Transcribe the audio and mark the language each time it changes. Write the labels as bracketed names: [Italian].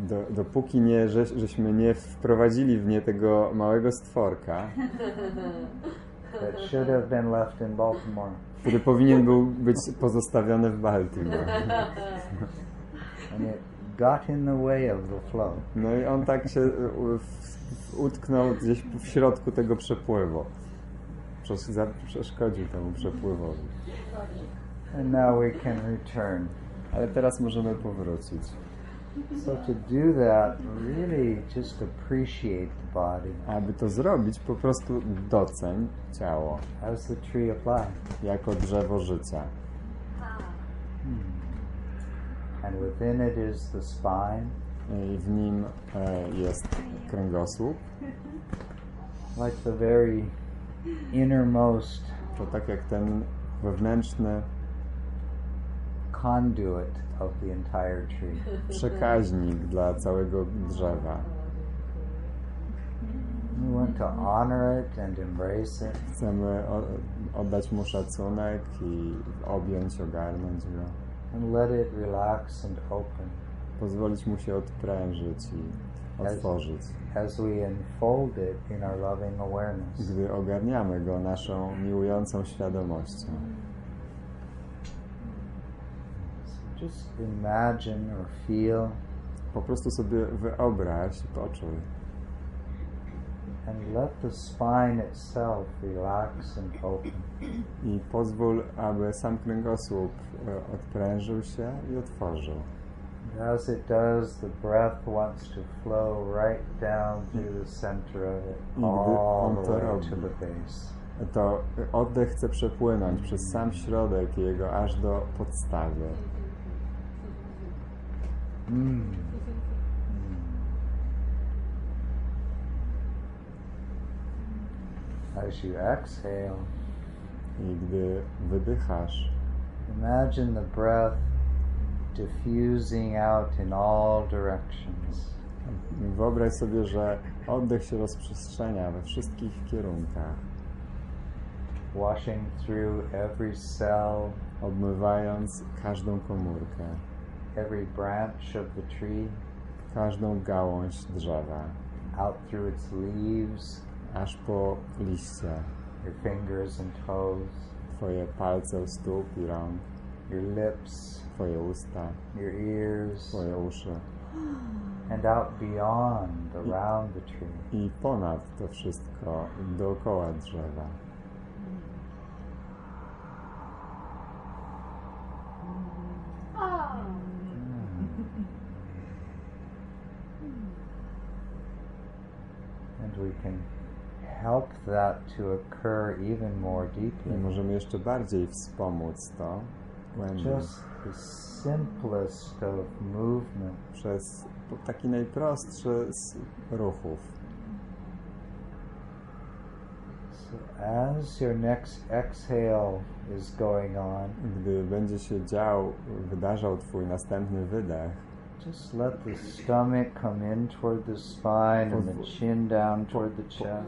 [Polish] Dopóki nie, żeśmy nie wprowadzili w nie tego małego stworka, [English] that should have been left in Baltimore. [Polish] Który powinien był być pozostawiony w Baltimore. [English] And it got in the way of the flow. [Polish] No i on tak się utknął gdzieś w środku tego przepływu. Przeszkodził temu przepływowi. [English] And now we can return. [Polish] Ale teraz możemy powrócić. [English] So to do that, really just appreciate the body. [Polish] Aby to zrobić, po prostu doceń ciało. [English] As the tree of life. [Polish] Jako drzewo życia. [English] And within it is the spine. [Polish] I w nim jest kręgosłup. [English] Like the very innermost. [Polish] To tak jak ten wewnętrzny [English] conduit of the entire tree. [Polish] Przekaźnik dla całego drzewa. [English] We want to honor it and embrace it. [Polish] Chcemy oddać mu szacunek i objąć, ogarnąć go. [English] And let it relax and open. [Polish] pozwolić mu się odprężyć i otworzyć. [English] As we enfold it in our loving awareness. [Polish] Gdy ogarniamy go naszą miłującą świadomością. [English] Just imagine or feel. [Polish] Po prostu sobie wyobraź, poczuj. [English] And let the spine itself relax and open. [Polish] I pozwól, aby sam kręgosłup odprężył się i otworzył. [English] As it does, the breath wants to flow right down through the center of it, all the way to the base. [Polish] To oddech chce przepłynąć przez sam środek jego aż do podstawy. [English] As you exhale, [Polish] i gdy wydychasz, [English] imagine the breath diffusing out in all directions. [Polish] Wyobraź sobie, że oddech się rozprzestrzenia we wszystkich kierunkach, [English] washing through every cell, [Polish] obmywając każdą komórkę, [English] every branch of the tree, [Polish] każdą gałąź drzewa, [English] out through its leaves, [Polish] aż po liście, [English] your fingers and toes, [Polish] twoje palce u stóp i rąk, [English] your lips, [Polish] twoje usta, [English] your ears, [Polish] twoje uszy, [English] and out beyond, around the tree, [Polish] i ponad to wszystko dookoła drzewa. [English] And we can help that to occur even more deeply. [Polish] I możemy jeszcze bardziej wspomóc to, [English] just the simplest of movement, [Polish] przez taki najprostszy z ruchów. [English] So as your next exhale is going on, [Polish] gdy będzie się dział, wydarzał twój następny wydech, [English] just let the stomach come in toward the spine and the chin down toward the chest.